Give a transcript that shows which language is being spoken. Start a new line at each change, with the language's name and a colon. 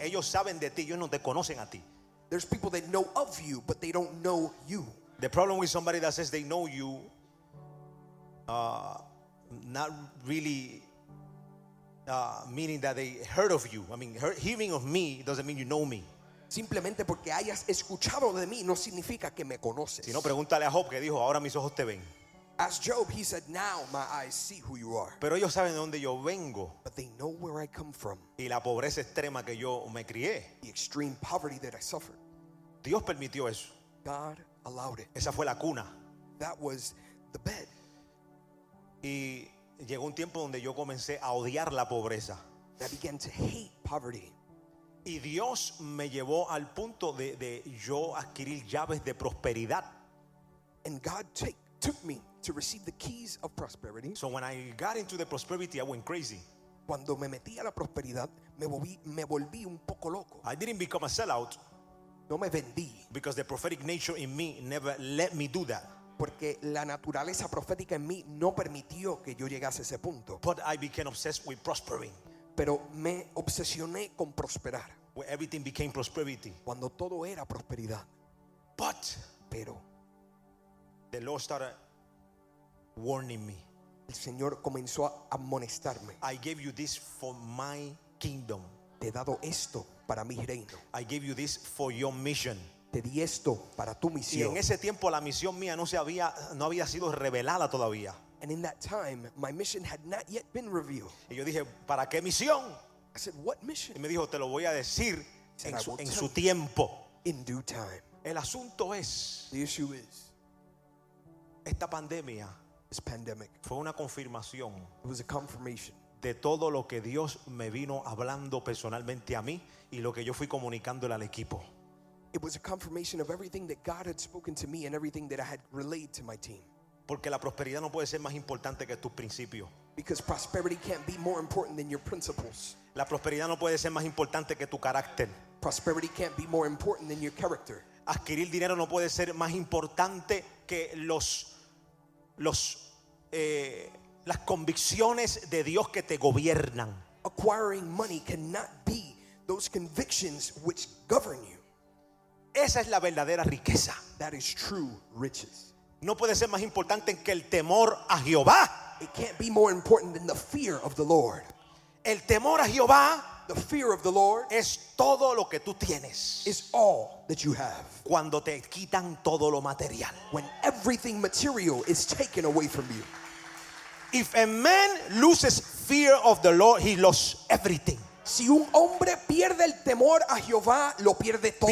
Spanish: Ellos saben de ti. Ellos no te conocen a ti.
English: There's people that know of you, but they don't know you. The problem with somebody that says they know you, not really meaning that they heard of you. I mean, hearing of me doesn't mean you know me.
Spanish: Simplemente porque hayas escuchado de mí no significa que me conoces. Si no, pregúntale a Job que dijo, ahora mis ojos te ven.
English: As Job, he said, now my eyes see who you are.
Spanish: Pero ellos saben de dónde yo vengo.
English: But they know where I come from.
Spanish: Y la pobreza extrema que yo me crié.
English: The extreme poverty that I suffered.
Spanish: Dios permitió eso.
English: God allowed it.
Spanish: Esa fue la cuna.
English: That was the bed.
Spanish: Y llegó un tiempo donde yo comencé a odiar la pobreza.
English: I began to hate poverty.
Spanish: Y Dios me llevó al punto de yo adquirir llaves de prosperidad.
English: And God took me to receive the keys of prosperity. So when I got into the prosperity, I went crazy.
Spanish: Cuando me metí a la prosperidad, me volví un poco loco.
English: I didn't become a sellout.
Spanish: No me vendí.
English: Because the prophetic nature in me never let me do that.
Spanish: Porque la naturaleza profética en mí no permitió que yo llegase a ese punto.
English: But I became obsessed with prospering.
Spanish: Pero me obsesioné con prosperar.
English: Where everything became prosperity.
Spanish: Cuando todo era prosperidad.
English: But
Spanish: pero
English: the Lord started warning me.
Spanish: El Señor comenzó a admonestarme.
English: I gave you this for my kingdom.
Spanish: Te he dado esto para mi reino.
English: I gave you this for your mission.
Spanish: Te di esto para tu misión. Y en ese tiempo la misión mía no había sido revelada todavía.
English: And in that time, my mission had not yet been revealed.
Spanish: Y yo dije, ¿para qué misión?
English: I said, what mission?
Spanish: Y me dijo, te lo voy a decir en su tiempo.
English: In due time.
Spanish: El asunto es,
English: the issue is,
Spanish: esta pandemia,
English: this pandemic,
Spanish: fue una confirmación.
English: It was a confirmation.
Spanish: De todo lo que Dios me vino hablando personalmente a mí y lo que yo fui comunicándole al equipo.
English: It was a confirmation of everything that God had spoken to me and everything that I had relayed to my team.
Spanish: Porque la prosperidad no puede ser más importante que tus principios.
English: Because prosperity can't be more important than your principles.
Spanish: La prosperidad no puede ser más importante que tu carácter.
English: Prosperity can't be more important than your character.
Spanish: Adquirir dinero no puede ser más importante que las convicciones de Dios que te gobiernan.
English: Acquiring money cannot be those convictions which govern you.
Spanish: Esa es la verdadera riqueza.
English: That is true riches.
Spanish: No puede ser más importante que el temor a Jehová.
English: It can't be more important than the fear of the Lord.
Spanish: El temor a Jehová,
English: the fear of the Lord,
Spanish: es todo lo que tú tienes.
English: Is all that you have.
Spanish: Cuando te quitan todo lo material.
English: When everything material is taken away from you. If a man loses fear of the Lord, he lost everything.
Spanish: Si un hombre pierde el temor a Jehová, lo pierde todo.